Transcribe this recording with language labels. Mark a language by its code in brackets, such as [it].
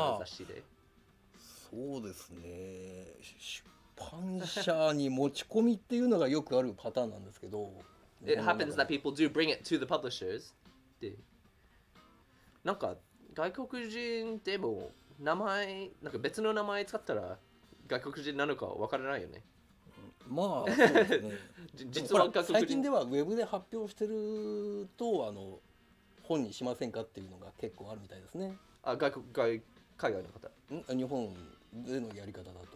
[ja] 質問で外国人が日本で漫画を作るのが無理ですか?ありえるか?あんまり見ないよね。なんか人気の雑誌で。そうですね。出版社に持ち込みっていうのがよくあるパターンなんですけど [en] It happens that people do bring it to the publishers [ja] で、なんか外国人でも名前、なんか別の名前使ったら外国人なのか分からないよね。まあ、そうですね。実は外国人…最近ではウェブで発表してると、本にしませんかっていうのが結構あるみたいですね。あ、外海外の方。日本での、やり方だと。